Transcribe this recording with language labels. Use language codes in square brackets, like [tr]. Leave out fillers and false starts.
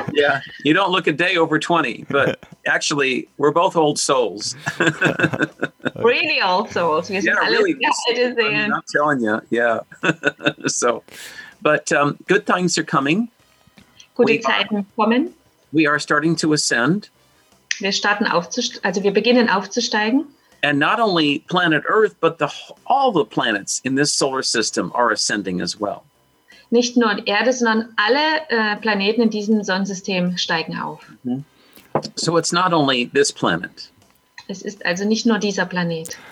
[en] Yeah, you don't look a day over 20, but actually, we're both old souls. Really old souls. Yeah, really. I'm not telling you, yeah. So, but good things are coming. [de] Gute Zeiten kommen. [en] We are starting to ascend. [de] Wir starten wir beginnen aufzusteigen. [en] And not only planet Earth, but all the planets in this solar system are ascending as well. [de] Nicht nur Erde, sondern alle Planeten in diesem Sonnensystem steigen auf. Mm-hmm. [en] So it's not only this planet. [de] Es ist also nicht nur dieser Planet.